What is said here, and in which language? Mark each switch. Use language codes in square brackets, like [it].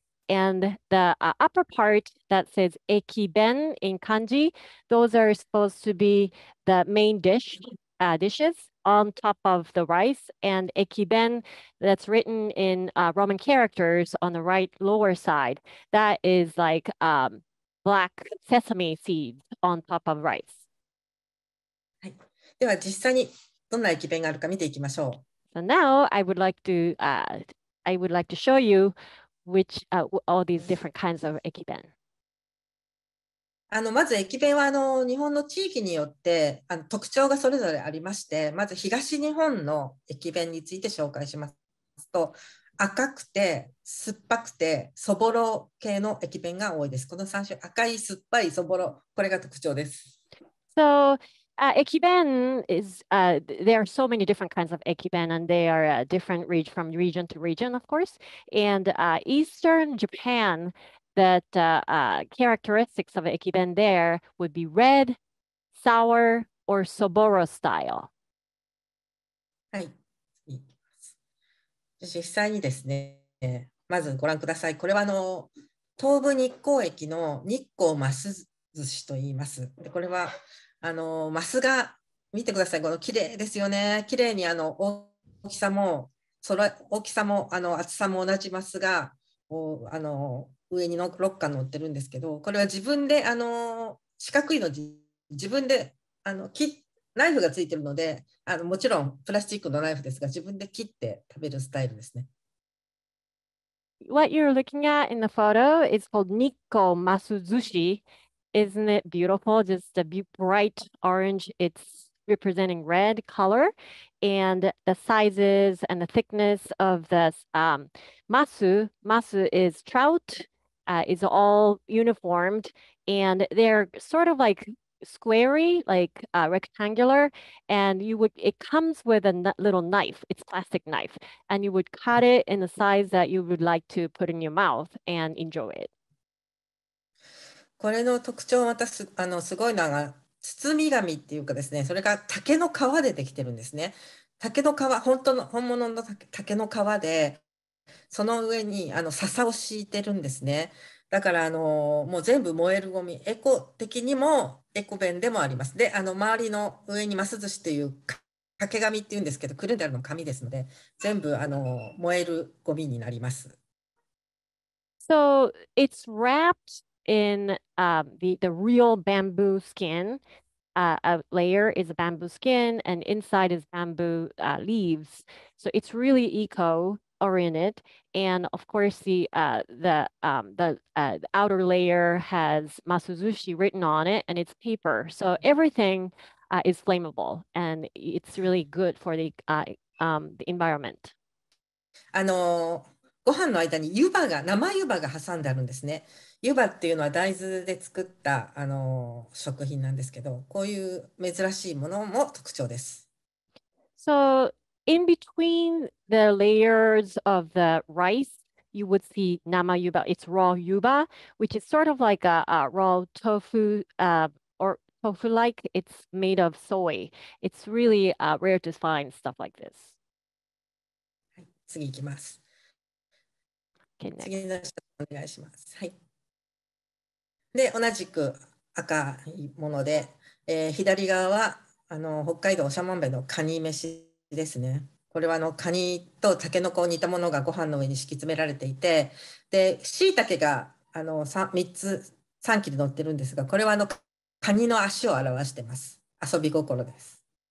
[en] And the upper part that says Ekiben in kanji, those are supposed to be the main dishes. On top of the rice and ekiben, that's written in Roman characters on the right lower side. That is like black sesame seeds on top of rice. [ja] では実際にどんな駅弁があるか見ていきましょう。 [en] So now I would like to show you which all these different kinds of ekiben. [ja] あのまず駅弁はあの日本の地域によってあの特徴がそれぞれありまして、まず東日本の駅弁について紹介しますと、赤くて酸っぱくてそぼろ系の駅弁が多いです。この3種、赤い酸っぱいそぼろ、これが特徴です。 [en] So ekiben is there are so many different kinds of ekiben and they are different from region to region of course, and eastern JapanThat characteristics of ekiben there would be red, sour, or soboro style. [ja] はい。実際にですね、まずご覧ください。これはあの東武日光駅の日光ます寿司と言います。で、これはあのますが、見てください。この綺麗ですよね。綺麗にあの大きさも、その大きさもあの厚さも同じますが、あの上にの6貫乗ってるんですけど、これは自分で四角いの自分でナイフがついてるので、あのもちろんプラスチックのナイフですが、自分で切って食べるスタイルですね。 [en] What you're looking at in the photo is called Nikko Masuzushi. Isn't it beautiful? Just a bright orange. It's representing red color. And the sizes and the thickness of this masu is trout. Is all uniformed and they're sort of like squarey, like rectangular. And it comes with a little knife, it's plastic knife. And you would cut it in the size that you would like to put in your mouth and enjoy it. [ja] これの特徴はまたすごいのが包み紙っていうかですね、それが竹の皮でできてるんですね。竹の皮、本物の竹の皮で。その上に笹を敷いてるんですね。だからもう全部燃えるゴミ、エコ的にもエコ弁でもあります。で、周りの上にます寿司という掛け紙っていうんですけど、くるんであるの紙ですので、全部燃えるゴミになります。 [en] So it's wrapped in the real bamboo skin. A layer is a bamboo skin and inside is bamboo leaves. So it's really eco. Oriented, and of course the outer layer has masuzushi written on it, and it's paper, so everything is flammable, and it's really good for the environment. [ja] ご飯の間に生湯葉が挟んであるんですね。湯葉っていうのは大豆で作った食品なんですけど、こういう珍しいものも特徴です。 [en] So. In between the layers of the rice, you would see nama yuba. It's raw yuba, which is sort of like a raw tofu or tofu-like. It's made of soy. It's really rare to find stuff like this. [ja] 次行きます。 [en] Okay, next. [ja] 次の写真お願いします。はい。で、同じく赤いもので、左側は北海道長万部のカニ飯。ですね、これはカニとタケノコを煮たものがご飯の上に敷き詰められていて、で、椎茸が3つ3切れ乗ってるんですが、これはカニの足を表してます。遊び心です。